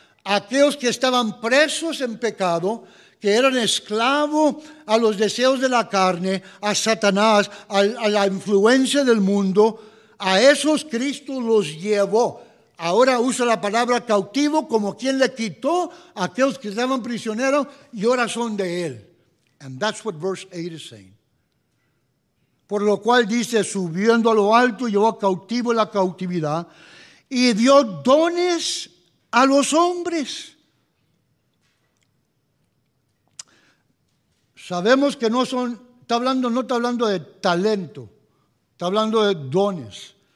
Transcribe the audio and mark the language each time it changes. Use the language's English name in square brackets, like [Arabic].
[Spanish] Aquellos que estaban presos en pecado, que eran esclavos a los deseos de la carne, a Satanás, a la influencia del mundo, a esos Cristo los llevó. Ahora usa la palabra cautivo como quien le quitó a aquellos que estaban prisioneros y ahora son de Él. [English] And that's what verse 8 is saying. [Spanish] Por lo cual dice, subiendo a lo alto, llevó cautivo la cautividad y dio dones a los hombres. Sabemos que no son, está hablando de talento, está hablando de dones.